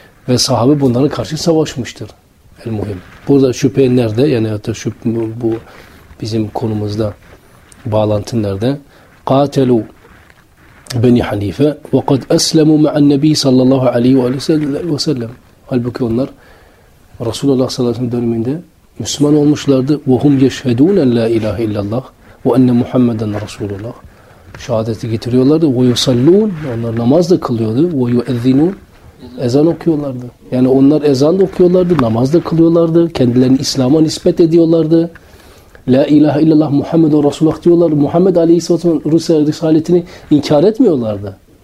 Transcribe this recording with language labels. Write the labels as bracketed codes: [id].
[tr] Ve sahabe bunlara karşı savaşmıştır. El muhim. Burada şüphe nerede? Yani hatta bu bizim konumuzda bağlantı nerede? [ar] قَاتَلُوا بَنِ حَنِيفَ وَقَدْ أَسْلَمُوا مَعَ النَّبِيِّ صَلَّى اللّٰهُ عَلَيْهِ وَسَلَّمْ [tr] Halbuki onlar Resulullah sallallahu aleyhi ve sellem döneminde Müslüman olmuşlardı. [ar] وَهُمْ يَشْهَدُونَ لَا اِلَٰهِ اِلَّا اللّٰهِ وَاَنَّ مُحَمَّدًا رَسُولُ اللّٰهِ [tr] Şehadeti getiriyorlardı. [ar] وَيُسَلُّونَ [tr] Onlar namaz da kılıyordu. [ar] وَيُؤَذِّنُونَ [tr] Ezan okuyorlardı. Yani onlar ezan da okuyorlardı, namaz da kılıyorlardı. Kendilerini İslam'a nispet ediyorlardı. La ilahe illallah Muhammedun Resulullah diyorlar. Muhammed Aleyhisselatü'nün Risaletini inkar etmiyorlardı.